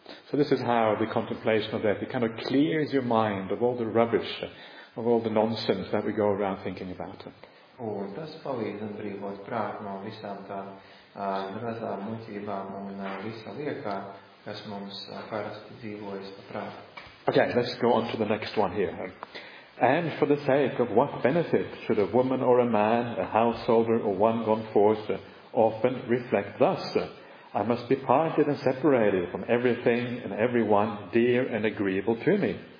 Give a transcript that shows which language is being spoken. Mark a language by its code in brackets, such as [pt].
[en] So this is how the contemplation of death, it kind of clears your mind of all the rubbish, of all the nonsense that we go around thinking about. [lv] Un tas palīdz atbrīvot prātu no visām tām grazām muļķībām un visa liekā, kas mums parasti dzīvojas pa prātu. [en] Okay, let's go on to the next one here. And for the sake of what benefit should a woman or a man, a householder or one gone forth, often reflect thus, I must be parted and separated from everything and everyone dear and agreeable to me.